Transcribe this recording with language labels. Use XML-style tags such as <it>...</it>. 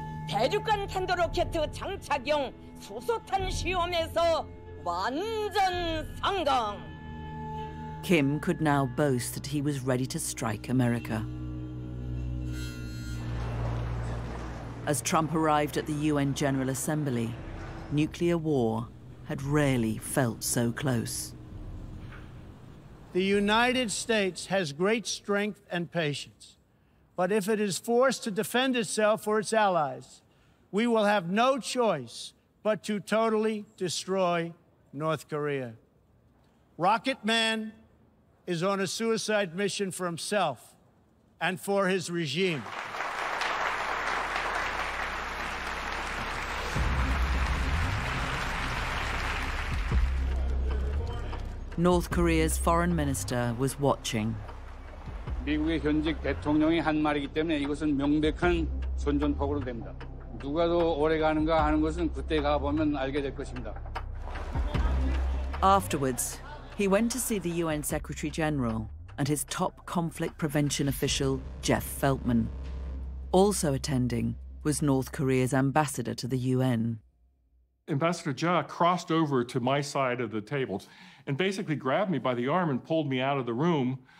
<ko>대륙간 탄도 로켓 장착용 수소탄 시험에서 완전 성공.</ko> <en>Kim could now boast that he was ready to strike America. As Trump arrived at the UN General Assembly, nuclear war had rarely felt so close. The United States has great strength and patience, but if it is forced to defend itself or its allies, we will have no choice but to totally destroy North Korea. Rocket Man is on a suicide mission for himself and for his regime. North Korea's foreign minister was watching.</en> <ko>미국의 현직 대통령이 한 말이기 때문에 이것은 명백한 선전포고로 됩니다. 누가도 오래 가는가 하는 것은 그때 가 보면 알게 될 것입니다.</ko> <en>Afterwards, he went to see the UN Secretary General and his top conflict prevention official, Jeff Feltman. Also attending was North Korea's ambassador to the UN. Ambassador Jia crossed over to my side of the table and basically grabbed me by the arm and pulled me out of the room.</en>